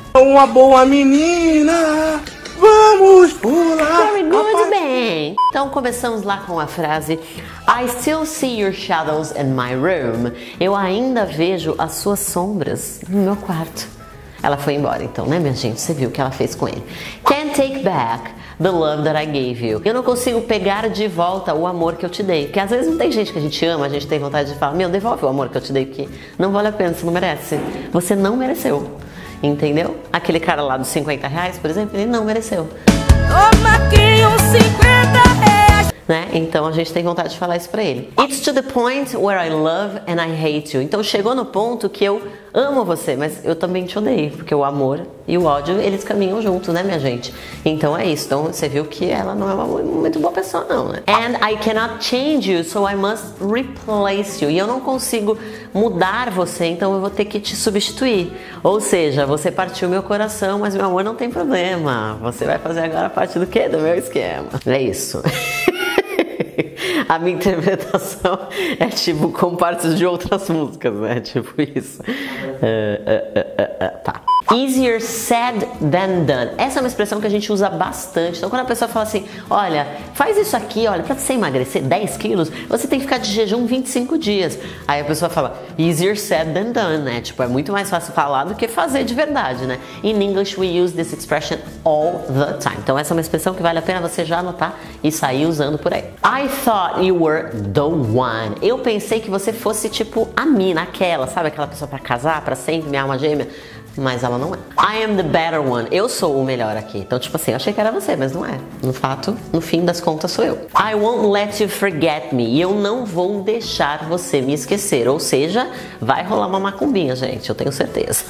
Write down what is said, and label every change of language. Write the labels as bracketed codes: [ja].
[pt] Uma boa menina, vamos pular. [en] Very good, [pt] bem. Então começamos lá com a frase [en] I still see your shadows in my room. [pt] Eu ainda vejo as suas sombras no meu quarto. Ela foi embora então, né, minha gente? Você viu o que ela fez com ele. [en] Can't take back the love that I gave you. [pt] Eu não consigo pegar de volta o amor que eu te dei. Porque às vezes não tem gente que a gente ama, a gente tem vontade de falar, meu, devolve o amor que eu te dei, porque não vale a pena, você não merece. Você não mereceu, entendeu? Aquele cara lá dos 50 reais, por exemplo, ele não mereceu. Toma aqui uns 50 reais. Né? Então a gente tem vontade de falar isso pra ele. [en] It's to the point where I love and I hate you. [pt] Então chegou no ponto que eu amo você, mas eu também te odeio. Porque o amor e o ódio, eles caminham juntos, né, minha gente? Então é isso. Então você viu que ela não é uma muito boa pessoa, não, né? [en] And I cannot change you, so I must replace you. [pt] E eu não consigo mudar você, então eu vou ter que te substituir. Ou seja, você partiu meu coração, mas meu amor, não tem problema. Você vai fazer agora parte do quê? Do meu esquema. É isso. A minha interpretação é tipo com partes de outras músicas, né? Tipo isso. Tá. [en] Easier said than done. [pt] Essa é uma expressão que a gente usa bastante. Então quando a pessoa fala assim, olha, faz isso aqui, olha, pra você emagrecer 10 quilos, você tem que ficar de jejum 25 dias. Aí a pessoa fala, [en] easier said than done, [pt] né? Tipo, é muito mais fácil falar do que fazer de verdade, né? [en] In English we use this expression all the time. [pt] Então essa é uma expressão que vale a pena você já anotar e sair usando por aí. [en] I thought you were the one. [pt] Eu pensei que você fosse tipo a mina, aquela, sabe? Aquela pessoa pra casar, pra sempre, minha alma gêmea. Mas ela não é. [en] I am the better one. [pt] Eu sou o melhor aqui. Então, tipo assim, eu achei que era você, mas não é. No fato, no fim das contas, sou eu. [en] I won't let you forget me. [pt] E eu não vou deixar você me esquecer. Ou seja, vai rolar uma macumbinha, gente. Eu tenho certeza.